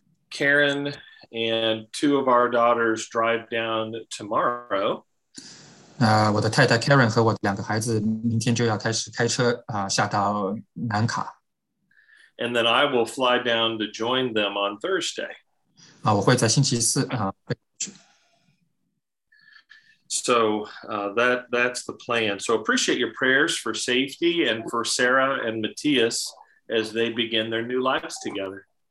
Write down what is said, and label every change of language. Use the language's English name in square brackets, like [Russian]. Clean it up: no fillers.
[English] Karen and two of our daughters drive down tomorrow. [Chinese] 我的太太 Karen 和我的两个孩子明天就要开始开车下到南卡。 [English] And then I will fly down to join them on Thursday. [Chinese] 我会在星期四。 [English] So that's the plan. So appreciate your prayers for safety and for Sarah and Matthias as they begin their new lives together.